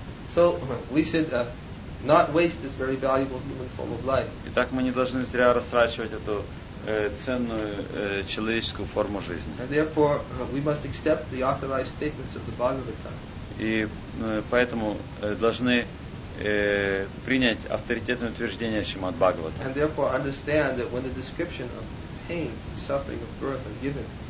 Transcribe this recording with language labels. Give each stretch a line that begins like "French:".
English: So, we should not waste this very valuable human form of life.
Russian: Итак, мы не должны зря растрачивать эту ценную человеческую форму жизни.
English: And therefore, we must accept the authorized statements of the Bhagavad Gita.
Russian: И поэтому должны принять авторитетное утверждение Шримад Бхагаватам.
English: And therefore, understand that when the description of pain and suffering of birth are given.